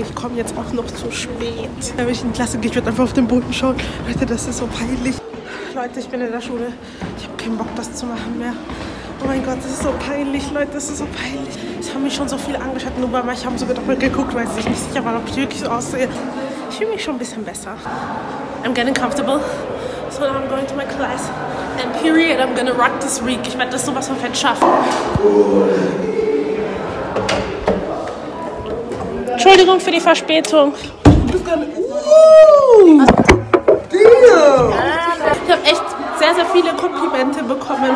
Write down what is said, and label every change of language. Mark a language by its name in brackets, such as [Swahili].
[German] Ich komme jetzt auch noch zu spät. Wenn ich in die Klasse gehe, ich werde einfach auf den Boden schauen. Leute, das ist so peinlich. Leute, ich bin in der Schule. Ich habe keinen Bock, das zu machen mehr. Oh mein Gott, das ist so peinlich, Leute, das ist so peinlich. Es haben mich schon so viel angeschaut, nur bei mir. Ich habe sogar doppelt geguckt, weil ich nicht sicher war, ob ich wirklich so aussehe. Ich fühle mich schon ein bisschen besser. [English] I'm getting comfortable. So now I'm going to my class. And period, I'm gonna rock this week. [German] Ich werde das sowas von fett schaffen. Entschuldigung für die Verspätung. Ich habe echt sehr, sehr viele Komplimente bekommen.